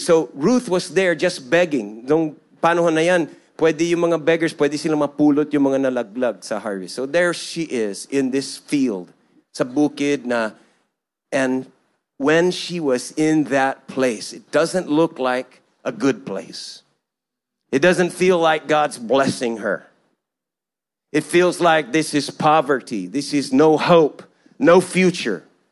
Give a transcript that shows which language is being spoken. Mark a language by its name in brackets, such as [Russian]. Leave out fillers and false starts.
[English] So Ruth was there just begging. [Filipino] Nung panahon na yan, pwede yung mga beggars, pwede silang mapulot yung mga nalaglag sa harvest. [English] So there she is in this field, [Filipino] sa bukid na, [English] and when she was in that place, it doesn't look like a good place. It doesn't feel like God's blessing her. It feels like this is poverty, this is no hope, no future.